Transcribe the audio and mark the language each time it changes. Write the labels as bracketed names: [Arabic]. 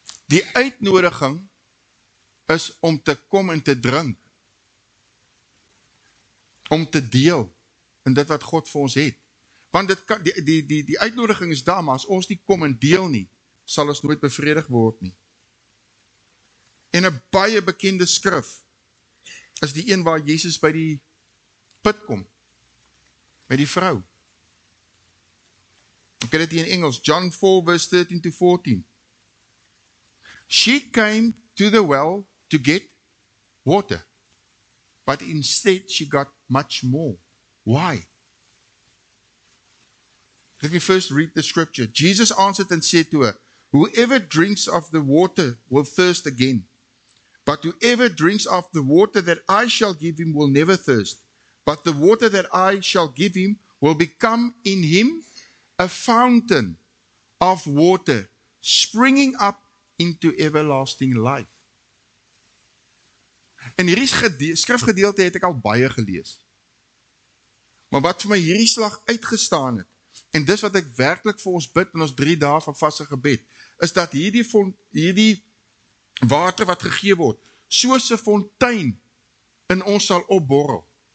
[Afrikaans] Die uitnodiging is om te kom en te drink. Om te deel in dit wat God vir ons het. Want dit kan, die uitnodiging is daar, maar as ons nie kom en deel nie, sal ons nooit bevredig word nie. En 'n baie bekende skrif is die een waar Jesus by die put kom. By die vrou. Ek het dit in Engels, John 4 verse 13 to 14. [English] She came to the well to get water. But instead she got much more. Why? Let me first read the scripture. Jesus answered and said to her, whoever drinks of the water will thirst again. But whoever drinks of the water that I shall give him will never thirst. But the water that I shall give him will become in him a fountain of water springing up into everlasting life. [Afrikaans] En hierdie skrifgedeelte het ek al baie gelees. Maar wat vir my hierdie slag uitgestaan het, en dis wat ek werklik vir ons bid in ons 3 dae van vaste gebed, is dat hierdie water wat gegee word, soos 'n fontein in ons sal opborrel.